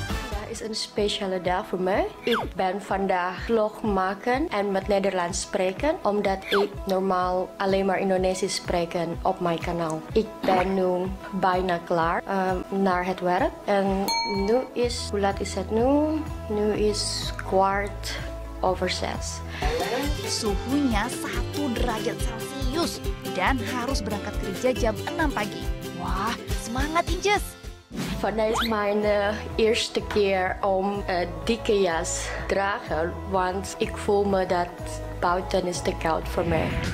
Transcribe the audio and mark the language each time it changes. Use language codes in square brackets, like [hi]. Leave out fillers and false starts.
[nl] Dat is een speciale dag voor mij. Ik ben vandaag vlog maken en met Nederlands spreken, omdat ik normaal alleen maar Indonesisch spreken op mijn kanaal. Ik ben nu bijna klaar naar het werk en nu is, hoe laat is het nu? Nu is 6:15. [id] Suhunya 1 derajat Celcius dan harus berangkat kerja jam 6 pagi. Wah, semangat Inces. [nl] Vandaag is mijn eerste keer om dikke jas dragen, want ik voel me dat buiten is te koud voor mij.